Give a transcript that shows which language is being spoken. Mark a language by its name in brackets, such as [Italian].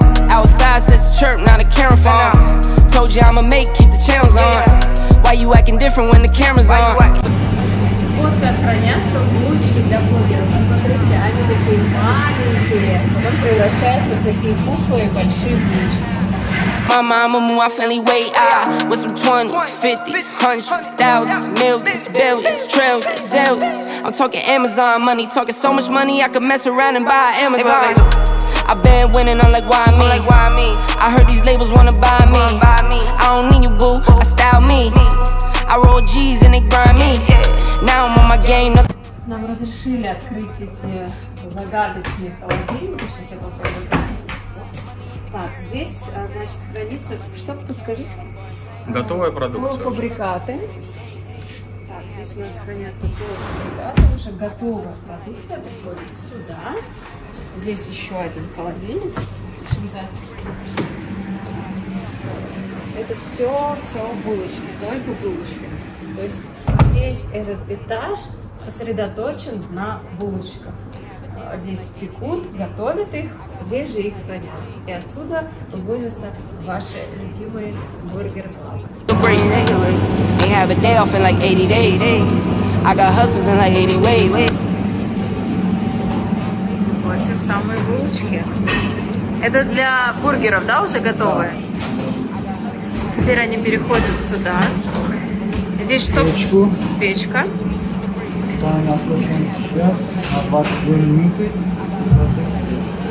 [English] Outside says it's chirp, not a camera phone. Told you I'ma make, keep the channels on. Why you acting different when the camera's on? [Russian] Вот как хранятся булочки для бургеров. Посмотрите, они такие маленькие. Потом превращаются в такие пухлые большие булочки. [English] My mama move, I finally weigh out. With some 20s, 50s, 100s, 1000s, millions, billions, trillions, zillions. I'm talking Amazon money, talking so much money I could mess around and buy Amazon. I been winning, I'm like, why me? I heard these labels wanna buy me. I don't need you, boo, I style me. I roll G's and they grind me. Now I'm on my game. [Russian] Нам разрешили открыть эти загадочные холодильники. Сейчас я попробую. Так, здесь, значит, хранится, что подскажите? Готовая продукция. Полуфабрикаты. Так, здесь у нас хранятся полуфабрикаты, уже готовая продукция приходит сюда. Здесь еще один холодильник. В общем-то, это все булочки, только булочки. То есть весь этот этаж сосредоточен на булочках. Здесь пекут, готовят их, здесь же их хранят. И отсюда вывозятся ваши любимые бургер-клапы. [English] They have a day off in like 80 days. I got hustles in like 80 ways. [Russian] Вот те самые булочки. Это для бургеров, да, уже готовые? Теперь они переходят сюда. Здесь что? Печку. Печка. Там у нас 80 сейчас, 22 минуты, процесс идет.